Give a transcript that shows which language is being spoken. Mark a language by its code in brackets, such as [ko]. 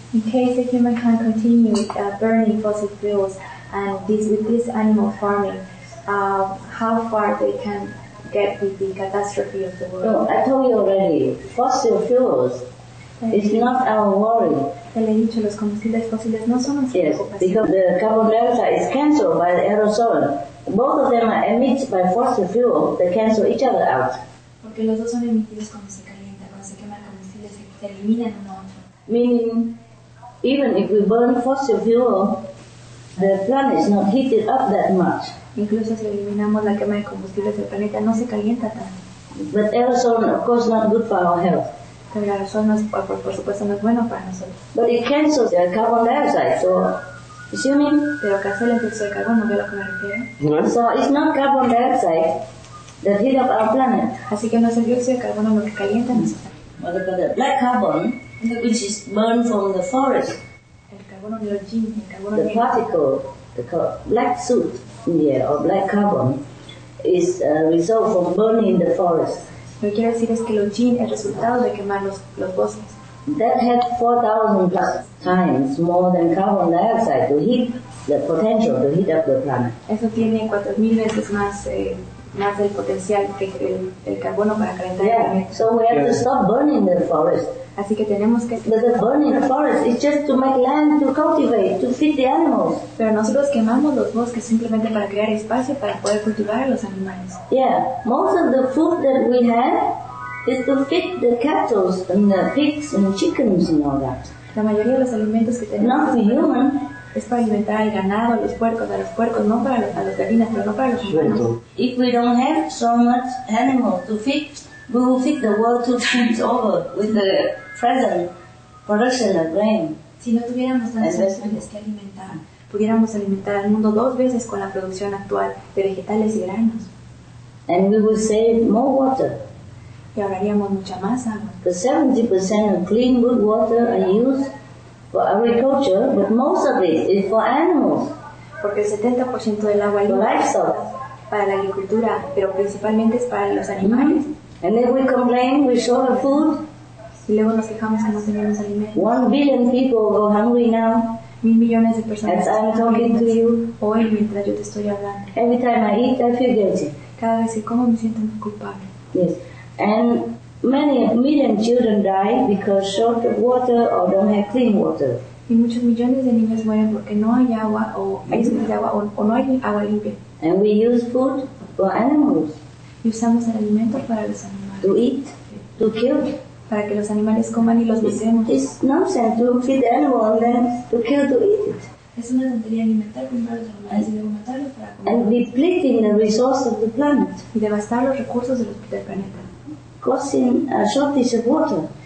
[en] In case the human can continue with burning fossil fuels, and this, with this animal farming, how far they can get with the catastrophe of the world? No, I told you already, fossil fuels is not our worry. [es] Te le he dicho, los combustibles fósiles no son nuestra preocupación. [en] Yes, because the carbon dioxide is cancelled by the aerosol. Both of them are emitted by fossil fuel. They cancel each other out. [es] Porque los dos son emitidos cuando se calienta, cuando se quema el combustible, se eliminan uno a otro. [en] Meaning, even if we burn fossil fuel, the planet is not heated up that much. [es] Incluso si eliminamos la quema de combustibles del planeta, no se calienta tanto. [en] But aerosol, of course, not good for our health. [es] Pero el aerosol, por supuesto, no es bueno para nosotros. [en] But it cancels the carbon dioxide, so, assuming... [es] Pero cancela el dióxido de carbono, ¿ve lo que me refiero? [en] So it's not carbon dioxide that heats up our planet. [es] Así que no es el dióxido de carbono lo que calienta nuestro planeta. [en] What about the black carbon, which is burned from the forest? The particle, the black soot in the air, or black carbon, is a result from burning the forest. [es] Lo que quiero decir es que Longines es el resultado de quemar los bosques. [en] That had 4,000 plus times more than carbon dioxide to heat the potential to heat up the planet. [es] Eso tiene 4,000 veces más el potencial que el carbono para calentar el planeta. [en] So we have to stop burning the forest. [es] Así que tenemos que. [en] But the burning forest is just to make land to cultivate, to feed the animals. [es] Pero nosotros quemamos los bosques simplemente para crear espacio para poder cultivar a los animales. [en] Yeah, most of the food that we have is to feed the cattle and the pigs and chickens and all that. [es] La mayoría de los alimentos que tenemos. [en] Not the human. [es] Es para alimentar al ganado, a los puercos, no para a las gallinas, pero no para los humanos. [en] If we don't have so much animal to feed, we will feed the world two times over with the present production of grain. [es] Si no tuviéramos tantos animales que alimentar, pudiéramos alimentar al mundo dos veces con la producción actual de vegetales y granos. [en] And we will save more water. [es] Y ahorraríamos mucha más agua. Porque [en] 70% of clean, good water are used for agriculture, but most of it is for animals. [es] Porque el 70% del agua es para la agricultura, pero principalmente es para los animales. [en] And then we complain, we short of food. [es] Y luego nos quejamos que no tenemos alimentos. [en] 1 billion people go hungry now. [es] 1,000,000,000 de personas. [en] As I'm talking to you. [es] Hoy, mientras yo te estoy hablando. [en] Every time I eat, I feel guilty. [es] Cada vez que como me siento muy culpable. [en] Yes. And many million children die because short of water or don't have clean water. [es] Y muchos millones de niños mueren porque no hay agua o escasez de agua o no hay agua limpia. [en] And we use food for animals. [es] Y usamos el alimento para los animales. [en] To eat, to kill. [es] Para que los animales coman y los matemos. [en] It's nonsense to feed the animal and then to kill to eat it. [es] Es una tontería alimentar primero los animales y luego matarlos para comer. [en] And depleting the resources of the planet. [es] Y devastar los recursos del planeta. [en] Causing a shortage of water.